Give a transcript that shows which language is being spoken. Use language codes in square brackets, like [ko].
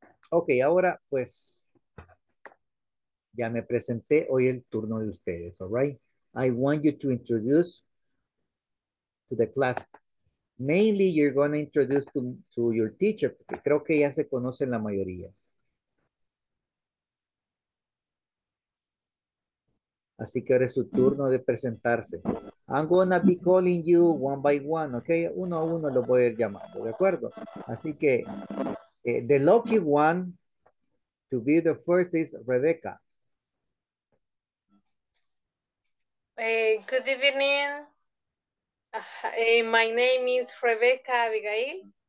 [es] Ok, ahora pues ya me presenté. Hoy el turno de ustedes, [en] all right? I want you to introduce to the class. Mainly you're going to introduce to your teacher. [es] Porque creo que ya se conocen la mayoría. Así que ahora es su turno de presentarse. [en] I'm going to be calling you one by one, ¿ok? [es] Uno a uno lo voy a ir llamando, ¿de acuerdo? Así que, [en] the lucky one to be the first is Rebecca. Good evening. My name is Rebecca Abigail.